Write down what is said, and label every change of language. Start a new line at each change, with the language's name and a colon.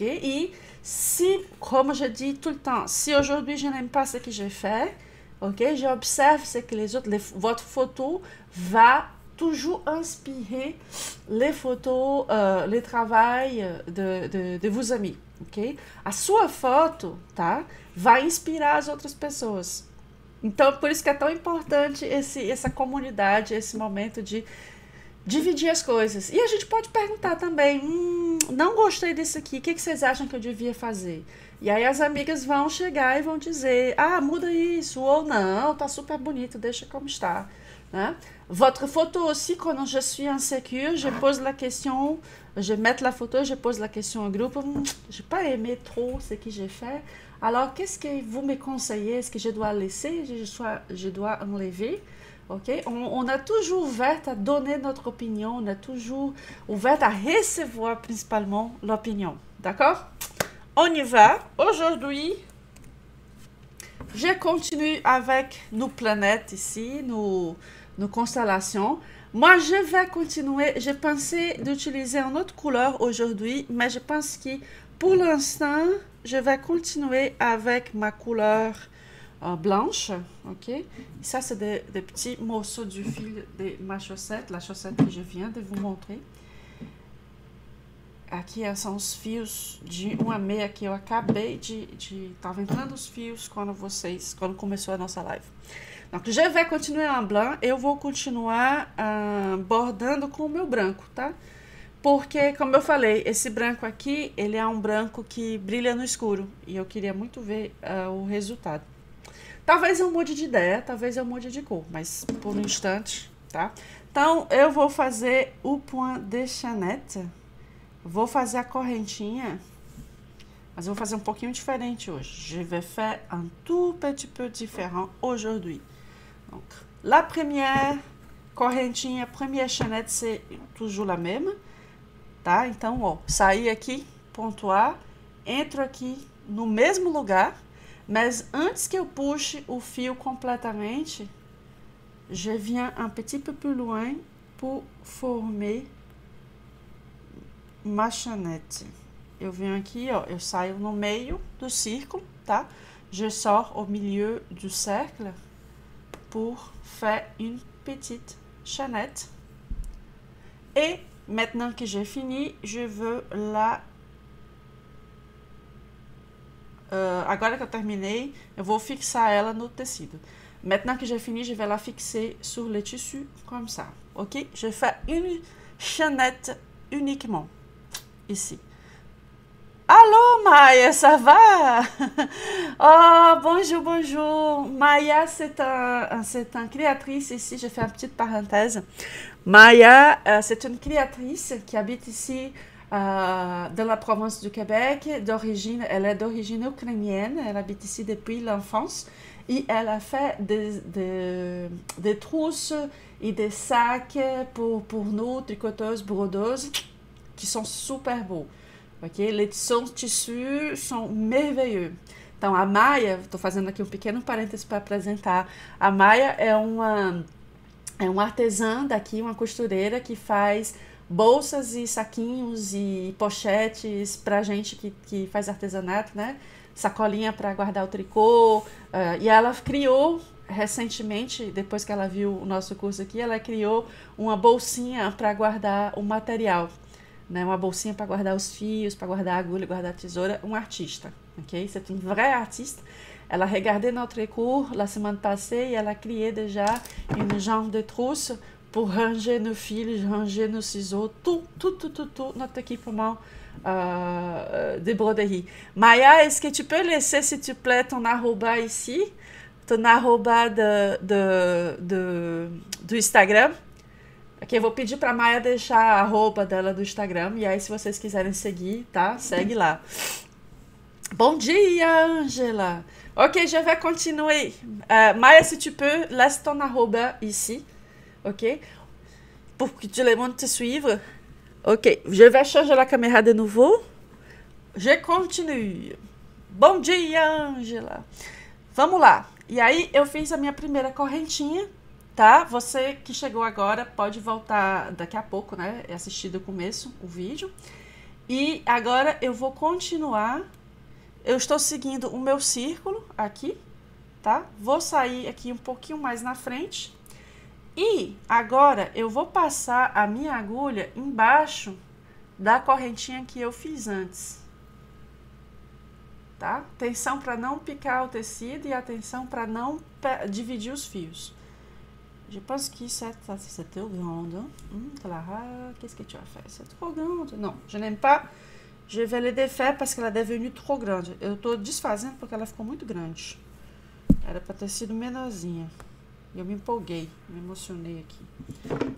French: Et si, comme je dis tout le temps, si aujourd'hui je n'aime pas ce que j'ai fait, ok, j'observe ce que les autres, votre photo va toujours inspirer les photos, les travails de vos amis, ok? La sua photo, tá, va inspirer les autres personnes.
Portuguese: Então, por isso que é tão importante essa comunidade, esse momento de dividir as coisas. E a gente pode perguntar também, não gostei disso aqui, o que que vocês acham que eu devia fazer? E aí as amigas vão chegar e vão dizer, ah, muda isso, ou não, tá super bonito, deixa como está, né?
French: Votre photo aussi, quand je suis insécure, je pose la question, je mets la photo, je pose la question au groupe, j'ai pas aimé trop ce que j'ai fait. Alors, qu'est-ce que vous me conseillez? Est-ce que je dois laisser? Je dois enlever? Okay? On a toujours ouvert à donner notre opinion. On a toujours ouvert à recevoir principalement l'opinion. D'accord? On y va. Aujourd'hui, je continue avec nos planètes ici, nos constellations. Moi, je vais continuer. J'ai pensé d'utiliser une autre couleur aujourd'hui, mais je pense que pour l'instant, je vais continuer avec ma couleur blanche, ok? Et ça, c'est des petits morceaux du fil de ma chaussette, la chaussette que je viens de vous montrer.
Portuguese: Aqui são os fios de uma meia que eu acabei de tava entrando os fios quando começou a nossa live. Então,
French: je vais continuer en blanc,
Portuguese: eu vou continuar bordando com o meu branco, tá? Porque, como eu falei, esse branco aqui, ele é um branco que brilha no escuro. E eu queria muito ver o resultado. Talvez eu mude de ideia, talvez eu mude de cor, mas por um instante, tá? Então, eu vou fazer o point de chaînette. Vou fazer a correntinha. Mas eu vou fazer um pouquinho diferente hoje.
French: Je vais faire un tout petit peu différent aujourd'hui. Donc, la première correntinha, première chaînette, c'est toujours la même.
Portuguese: Tá? Então, ó, saí aqui, ponto A, entro aqui no mesmo lugar, mas antes que eu puxe o fio completamente,
French: je viens un petit peu plus loin pour former ma chaînette.
Portuguese: Eu venho aqui, ó, eu saio no meio do círculo, tá?
French: Je sors au milieu du cercle pour faire une petite chaînette. Et maintenant que j'ai fini, je veux la.
Portuguese: Agora que eu terminei, eu vou fixar ela no tecido.
French: Maintenant que j'ai fini, je vais la fixer sur le tissu, comme ça. Ok? Je fais une chaînette uniquement. Ici. Alô, Maya, ça va? Oh, bonjour, bonjour. Maya, c'est un créatrice ici. Je fais une petite parenthèse. Maya, c'est une créatrice qui habite ici dans la province du Québec. Elle est d'origine ukrainienne. Elle habite ici depuis l'enfance. Et elle a fait des trousses et des sacs pour nous, tricoteuses, brodeuses, qui sont super beaux. Okay? Les tissus sont merveilleux.
Portuguese: Então, a Maya, estou fazendo aqui um pequeno parênteses para apresentar. A Maya é uma artesã daqui, uma costureira que faz bolsas e saquinhos e pochetes para gente que faz artesanato, né? Sacolinha para guardar o tricô. E ela criou recentemente, depois que ela viu o nosso curso aqui, ela criou uma bolsinha para guardar o material. Né, uma bolsinha para guardar os fios, para guardar a agulha, guardar a tesoura, um artista, ok?
French: C'est une vraie artiste. Elle a regardé notre cours la semaine passée et elle a créé déjà une jambe de trousse pour ranger nos fils, ranger nos ciseaux, tout notre équipement de broderie. Maya, est-ce que tu peux laisser, s'il te plaît, ton arroba ici, ton arroba do Instagram?
Portuguese: Ok, eu vou pedir para Maia deixar a roupa dela do Instagram. E aí, se vocês quiserem seguir, tá? Segue lá. Bom dia, Angela.
French: Ok, je vais continuer. Maia, si tu peux, laisse ton arroba ici. Ok? Pour que tout le monde te suive. Ok, je vais changer la caméra de nouveau. Je continue.
Portuguese: Bom dia, Ângela. Vamos lá. E aí, eu fiz a minha primeira correntinha, tá? Você que chegou agora pode voltar daqui a pouco, né? Assistir do começo o vídeo. E agora eu vou continuar. Eu estou seguindo o meu círculo aqui, tá? Vou sair aqui um pouquinho mais na frente. E agora eu vou passar a minha agulha embaixo da correntinha que eu fiz antes. Tá? Atenção para não picar o tecido e atenção para não dividir os fios.
French: Je pense que cette grande. Clara, qu'est-ce que tu as fait? C'est trop grande. Non, je n'aime pas. Je vais le défaire parce qu'elle est devenue trop grande.
Portuguese: Eu estou desfazendo porque ela ficou muito grande. Era para ter sido menorzinha. Eu me empolguei, me emocionei aqui.